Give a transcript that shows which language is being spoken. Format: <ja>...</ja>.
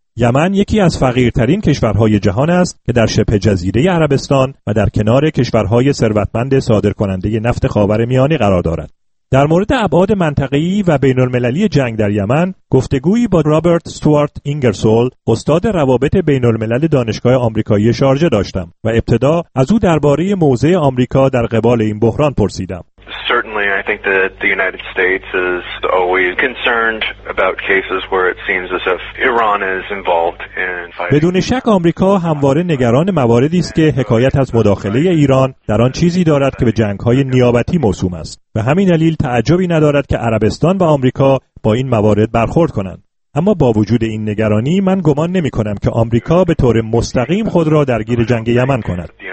<fa>یمن یکی از فقیرترین کشورهای جهان است که در شبه جزیره عربستان و در کنار کشورهای ثروتمند صادرکننده نفت خاورمیانه قرار دارد. در مورد ابعاد منطقه‌ای و بین‌المللی جنگ در یمن، گفتگویی با رابرت استوارت اینگرسول، استاد روابط بین‌الملل دانشگاه آمریکایی شارجه داشتم و ابتدا از او درباره موضع آمریکا در قبال این بحران پرسیدم.</fa> <en>Certainly, I think that the United States is always concerned about cases where it seems as if Iran is involved in fighting.</en> <fa>بدون شک آمریکا همواره نگران مواردی است که حکایت از مداخله ایران در آن چیزی دارد که به جنگ‌های نیابتی موسوم است. به همین دلیل تعجبی ندارد که عربستان و آمریکا با این موارد برخورد کنند. اما با وجود این نگرانی من گمان نمی‌کنم که آمریکا به طور مستقیم خود را درگیر جنگ یمن کند.</fa>